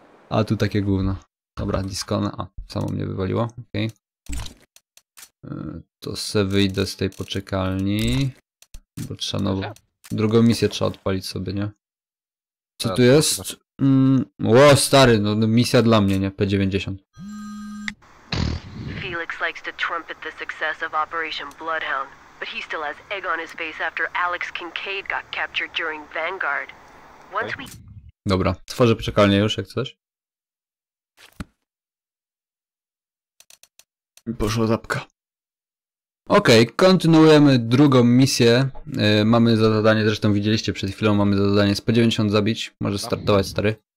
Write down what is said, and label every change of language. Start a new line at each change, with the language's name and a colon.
Polish: A tu takie gówno. Dobra, discona. A, samo mnie wywaliło, okej. To se wyjdę z tej poczekalni, bo trzeba nowo. Drugą misję trzeba odpalić sobie, nie? Co tu jest? Ło, stary, no misja dla mnie, nie? P90.
English: Felix likes to trumpet the success of Operation Bloodhound, but he still has egg on his face after Alex Kincaid got captured during Vanguard. Once we...
Polish: Dobra, tworzę poczekalnię już, jak chcesz. Poszła zapka. Okej, okay, kontynuujemy drugą misję. Mamy za zadanie, zresztą widzieliście przed chwilą, mamy za zadanie z P90 zabić. Możesz startować, stary.